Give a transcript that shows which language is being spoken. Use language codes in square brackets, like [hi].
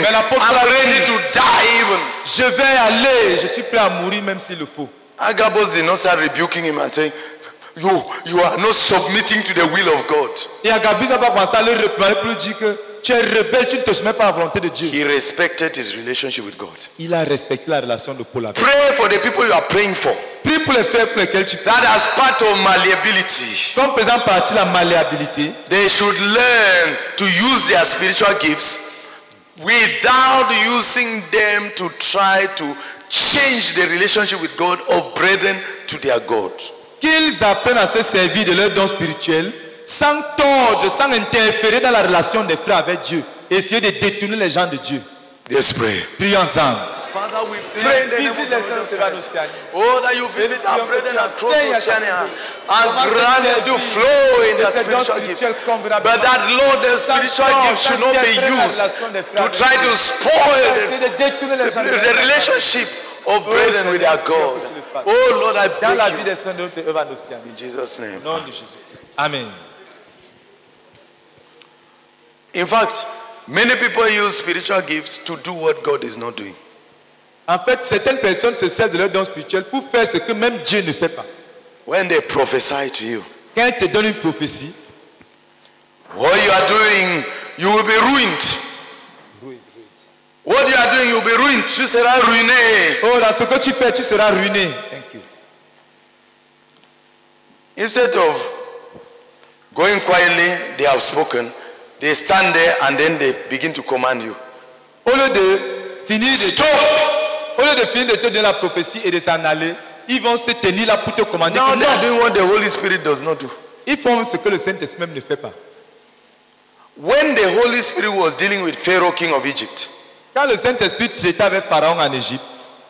[fr] Mais l'apôtre [en] I'm ready to die even. [fr] Je vais aller, je suis prêt à mourir même s'il le faut. [en] Agabus did not start rebuking him and saying, you are not submitting to the will of God. [fr] Et Agabus n'a pas commencé à le réprimander pour lui dire que tu es rebelle, tu ne te soumets pas à la volonté de Dieu. [en] He respected his relationship with God. [fr] Il a respecté la relation de Paul avec Dieu. [en] Pray for the people you are praying for. [fr] Prie pour les faibles pour lesquels tu prie. [en] That as part of malleability. [fr] Comme faisant partie de la malléabilité. [en] They should learn to use their spiritual gifts without using them to try to change the relationship with God of brethren to their God. [fr] Qu'ils apprennent à se servir de leurs dons spirituels sans tordre, sans interférer dans la relation des frères avec Dieu. Essayer de détourner les gens de Dieu. [en] Let's pray. [fr] Prie ensemble. [en] Father, we pray that oh, that you visit our brethren across Oceania and grant them to flow in their spiritual gifts. But that, Lord, the spiritual gifts should not be used to try to spoil the relationship of brethren with their God. Oh, Lord, I beg you. In Jesus' name. Amen. In fact, many people use spiritual gifts to do what God is not doing. [fr] En fait, certaines personnes se servent de leurs dons spirituels pour faire ce que même Dieu ne fait pas. [en] When they prophesy to you, [fr] quand ils te donnent une prophétie, [en] what you are doing, you will be ruined. What you are doing, you will be ruined. [fr] Tu seras ruiné. Oh, dans ce que tu fais, tu seras ruiné. [en] Thank you. Instead of going quietly, they have spoken. They stand there and then they begin to command you. [fr] Au lieu de finir, [en] stop. [fr] Au lieu de finir de te donner la prophétie et de s'en aller, ils vont se tenir là pour te commander. [en] Now, they are doing what the Holy Spirit does not do. [fr] Ils font ce que le Saint-Esprit même ne fait pas. [en] When the Holy Spirit was dealing with Pharaoh, king of Egypt, [fr] quand le Saint-Esprit traitait avec Pharaon en Égypte,